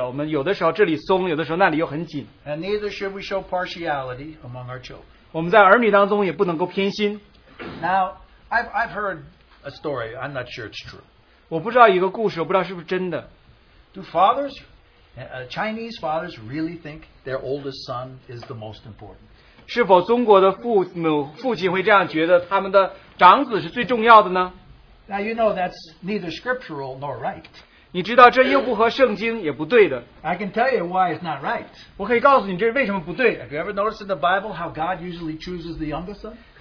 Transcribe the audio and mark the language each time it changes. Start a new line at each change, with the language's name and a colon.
Chinese: 有时候我们的管教是很不持续的，我们有的时候这里松，有的时候那里又很紧。
English: And neither should we show partiality among our children.
Chinese: 我们在儿女当中也不能够偏心。
English: Now, I've heard a story. I'm not sure it's true.
Chinese: 我不知道一个故事，我不知道是不是真的。
English: Do fathers, Chinese fathers, really think their oldest son is the most important?
Chinese: 是否中国的父亲会这样觉得他们的长子是最重要的呢？
English: Now you know that's neither scriptural nor right.
Chinese: 你知道这又不合圣经也不对的。
English: I can tell you why it's not right.
Chinese: 我可以告诉你这是为什么不对的。
English: Have you ever noticed in the Bible how God usually chooses the younger son?